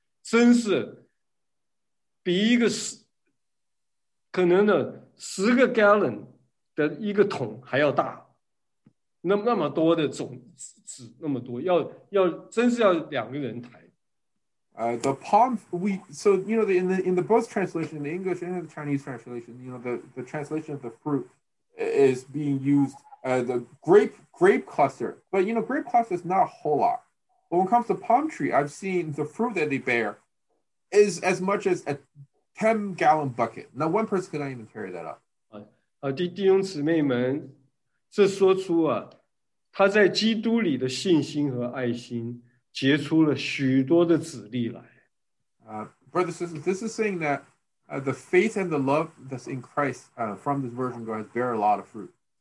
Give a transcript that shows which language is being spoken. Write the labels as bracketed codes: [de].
[zh] 真是比一个十，可能呢，10个 gallon 的一个桶还要大，那么多的种子，那么多，要真是要两个人抬。 [en] The palm, in the both translation, the English and the Chinese translation, you know, the translation of the fruit is being used, the grape cluster. But you know, grape cluster is not a whole lot. But when it comes to palm tree, I've seen the fruit that they bear. Is as much as a 10-gallon bucket. Now, one person could not even carry that up. [zh] 弟兄姊妹们，这说出啊，他在基督里的信心和爱心，结出了许多的子粒来。 [en] Brothers and sisters, this is saying that the faith and the love that's in Christ from this version has bear a lot of fruit.